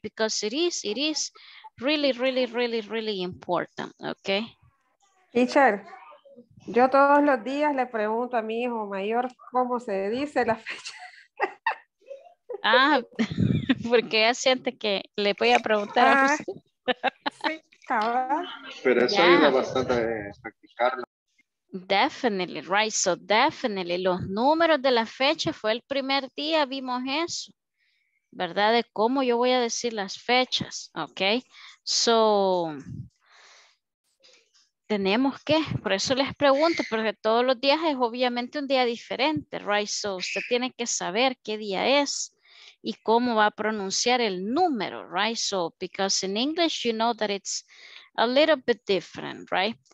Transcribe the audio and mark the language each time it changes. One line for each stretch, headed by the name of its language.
English: Because it is really, really, really, really important, okay?
Spanish: Teacher, yo todos los días le pregunto a mi hijo mayor cómo se dice la fecha. Ah, porque ya siente que le voy a preguntar a usted. Sí, cabrón. Pero eso ayuda bastante practicarlo.
English: Definitely, right? So definitely,
Spanish: los números de la fecha, fue el primer día, vimos eso, ¿verdad? De cómo yo voy a decir las fechas, ¿ok? So, tenemos que, por eso les pregunto, porque todos los días es obviamente un día diferente, right? So, usted tiene que saber qué día es y cómo va a pronunciar el número, right?
English: So, because in English, you know that it's a little bit different, right?